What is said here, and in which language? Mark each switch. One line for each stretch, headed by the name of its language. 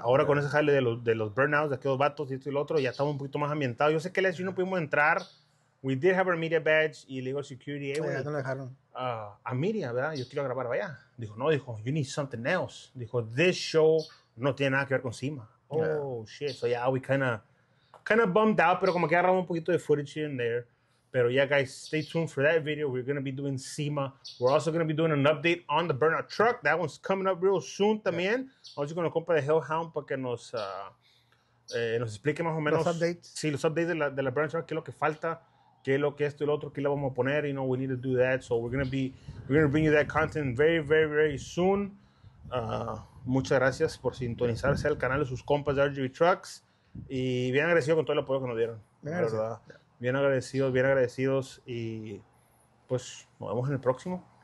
Spanish: Ahora con ese jale de los burnouts, de aquellos vatos y esto y lo otro, ya estamos un poquito más ambientados. Yo sé que les no pudimos entrar.
English: We did have our media badge y legal security.
Spanish: Ya no lo dejaron. A media, ¿verdad? Yo quiero grabar allá. Dijo, no, dijo,
English: you need something else.
Spanish: Dijo,
English: this show
Spanish: no tiene nada que ver con SEMA.
English: Oh, shit. So, yeah, we kind of bummed out,
Spanish: pero como que agarramos un poquito de
English: footage here and there. Pero, yeah, guys, stay tuned for that video. We're going to be doing SEMA. We're also going to be doing an update on the burnout truck. That one's coming up real soon también.
Spanish: Vamos con el compa de Hellhound para que nos explique más o menos. Los updates. Sí, los updates de la burnout truck. ¿Qué es lo que falta? ¿Qué es lo que esto y lo otro? ¿Qué le vamos a poner?
English: You know, we need to do that. So we're going to bring you that content very, very, very soon.
Spanish: Muchas gracias por sintonizarse al canal de sus compas de RGB Trucks. Y bien agradecido con todo el apoyo que nos dieron. Bien, la verdad. Bien agradecidos, y pues nos vemos en el próximo.